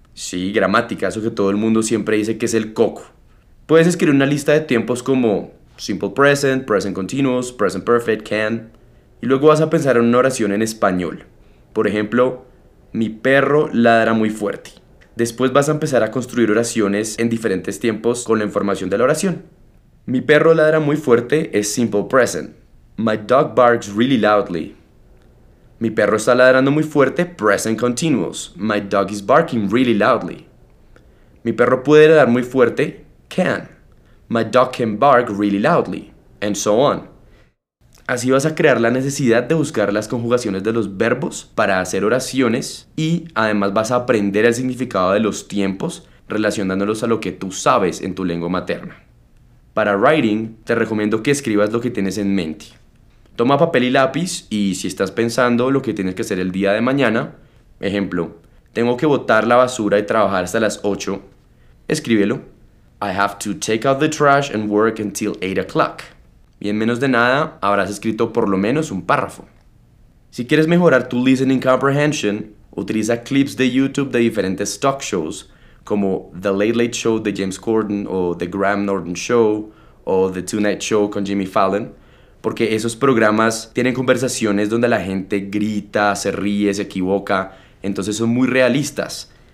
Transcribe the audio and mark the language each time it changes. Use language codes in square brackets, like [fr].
[es] Sí, gramática, eso que todo el mundo siempre dice que es el coco. Puedes escribir una lista de tiempos como simple present, present continuous, present perfect, can. Y luego vas a pensar en una oración en español. Por ejemplo, mi perro ladra muy fuerte. Después vas a empezar a construir oraciones en diferentes tiempos con la información de la oración. Mi perro ladra muy fuerte es simple present. [en] My dog barks really loudly. [es] Mi perro está ladrando muy fuerte, present continuous. [en] My dog is barking really loudly. [es] Mi perro puede ladrar muy fuerte, can. [en] My dog can bark really loudly. And so on. [es] Así vas a crear la necesidad de buscar las conjugaciones de los verbos para hacer oraciones y además vas a aprender el significado de los tiempos relacionándolos a lo que tú sabes en tu lengua materna. Para writing, te recomiendo que escribas lo que tienes en mente. Toma papel y lápiz y si estás pensando lo que tienes que hacer el día de mañana, ejemplo, tengo que botar la basura y trabajar hasta las 8, escríbelo. [en] I have to take out the trash and work until 8 o'clock. [es] Y en menos de nada, habrás escrito por lo menos un párrafo. Si quieres mejorar tu listening comprehension, utiliza clips de YouTube de diferentes talk shows, como The Late Late Show de James Corden, o The Graham Norton Show, o The Tonight Show con Jimmy Fallon, porque esos programas tienen conversaciones donde la gente grita, se ríe, se equivoca, entonces son muy realistas.